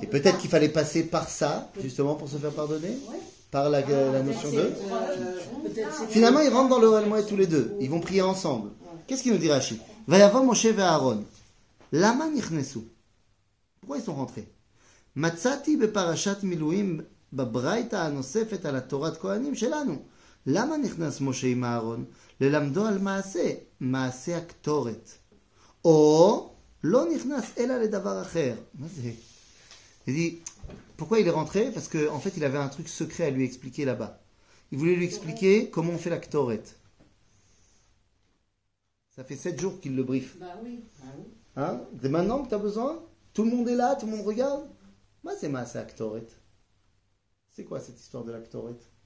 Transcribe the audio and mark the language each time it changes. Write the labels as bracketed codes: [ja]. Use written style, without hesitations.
[fr] Et peut-être qu'il fallait passer par ça justement pour se faire pardonner. Ouais. Par la notion de. Finalement, ils rentrent dans le Hallel Moed tous les deux. Ils vont prier ensemble. Ouais. Qu'est-ce qu'il nous dit Rashi? Va y avoir Moshe et Aaron. [he] Lama nichnesu. [fr] Pourquoi ils sont rentrés? [he] Matzati beparashat miluim. בברייתא הנוספת על התורת כהנים שלנו. למה נכנס משה עם אהרון? ללמדו על מעשה, מעשה הקטורת. או לא נכנס אלא לדבר אחר. מה זה? [fr] Il dit, pourquoi il est rentré? Parce que, en fait, il avait un truc secret à lui expliquer là-bas. Il voulait lui expliquer comment on fait la ktoret. Ça fait 7 jours qu'il le brief. Bah oui. Hein? C'est maintenant que tu as besoin? Tout le monde est là, tout le monde regarde? Moi, c'est ma ktoret. C'est quoi cette histoire de la ktoret?